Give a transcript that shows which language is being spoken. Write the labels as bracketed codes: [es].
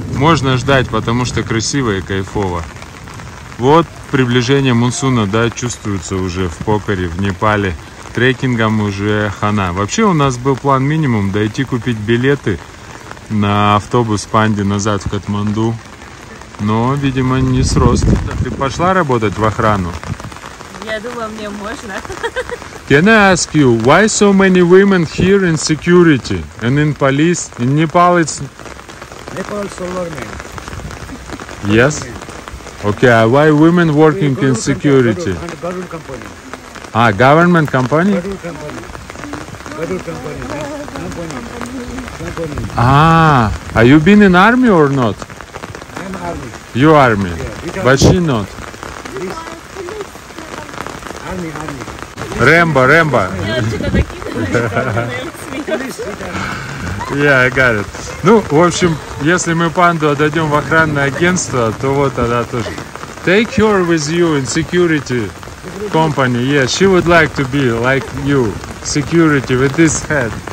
[ru] Можно ждать, потому что красиво и кайфово. Вот приближение мунсуна, да, чувствуется уже в Покхаре, в Непале. Трекингом уже хана. Вообще у нас был план минимум дойти купить билеты на автобус Панди назад в Катманду. Но, видимо, не срост. Ты пошла работать в охрану? Я думала, мне можно. [en] Can I ask you, why so many women here in security and in police? In Nepal it's... Nepal solar men. Yes? Okay, why women working in security? Government company. Ah, government company? Government company. Government company. Company. Company. Ah, are you been in army or not? Army. You army. Yeah, but she not. Army, army. Rambo, Rambo. Yeah, I got it. [ru] Ну, в общем, если мы панду отдадем в охранное агентство, то вот тогда тоже. [en] Take her with you in security company. Yeah, she would like to be like you. Security with this head.